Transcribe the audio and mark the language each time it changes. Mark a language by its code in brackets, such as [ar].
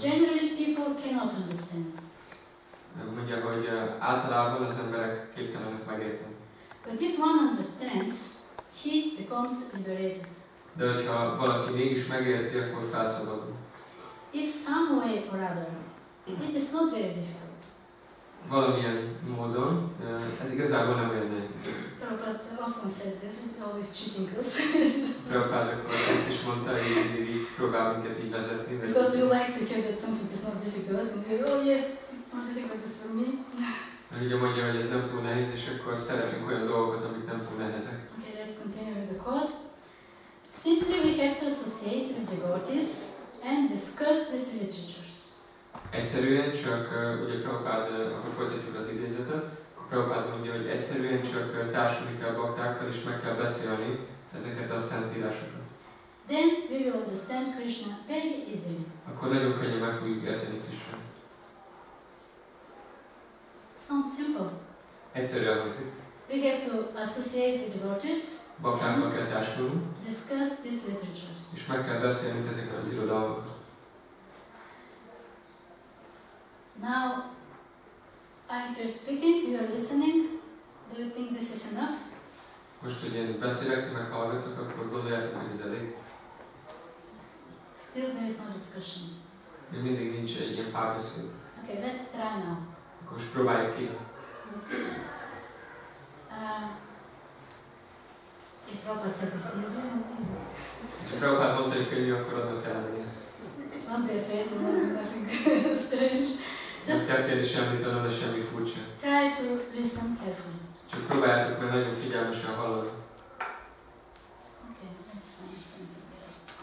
[en] Generally people cannot understand. [hu] Mondja, hogy általában az emberek képtelenek megérteni. [en] But if one understands, he becomes liberated. [hu] De hogyha valaki mégis megérti, akkor felszabadul. [en] If some way or other, it is not very difficult. [hu] Valamilyen módon, ez igazából nem olyan nehéz. [en] Prabhupada often said this, always cheating us. [hu] Prabhupada akkor ezt is mondta, hogy így próbál minket így vezetni. [en] Because we like to hear that something is not difficult, and we go, oh yes, it's not difficult, it's for me. [hu] Mert ugye mondja, hogy ez nem túl nehéz, és akkor szeretünk olyan dolgokat, amik nem túl nehezek. [en] Okay, let's continue with the quote. Simply we have to associate with devotees and discuss these literatures. [hu] Egyszerűen csak, ugye Prabhupada, akkor folytatjuk az idézetet, akkor Prabhupada mondja, hogy egyszerűen csak társulni kell baktákkal és meg kell beszélni ezeket a szentírásokat. [en] Then we will understand Krishna very easily. [hu] Akkor nagyon könnyen meg fogjuk érteni Krishna. [en] Sounds simple. [hu] Egyszerűen hangzik. [en] We have to associate with devotees. [hu] Baktákkal kell társulni. [en] Discuss these literatures. [hu] És meg kell beszélnünk ezeket az irodalmakat. [en] Now, I'm here speaking, you are listening. Do you think this is enough? [hu] Most, hogy én beszélek, ti meghallgatok, akkor gondoljátok, hogy ez elég. [en] Still there is no discussion. [hu] Még mindig nincs egy ilyen párbeszéd. [en] Okay, let's try now. [hu] Akkor most próbáljuk ki. [en] If Prabhupada said it's easy, it's easy. If [hu] Prabhupada mondta, hogy könnyű, akkor annak kell lennie. [en] Don't be afraid, don't be nothing strange. Just [hu] nem kell kérni semmit, hanem de semmi furcsa. [en] Try to listen carefully. [hu] Csak próbáljátok meg nagyon figyelmesen hallani. [en] Okay, let's find something else.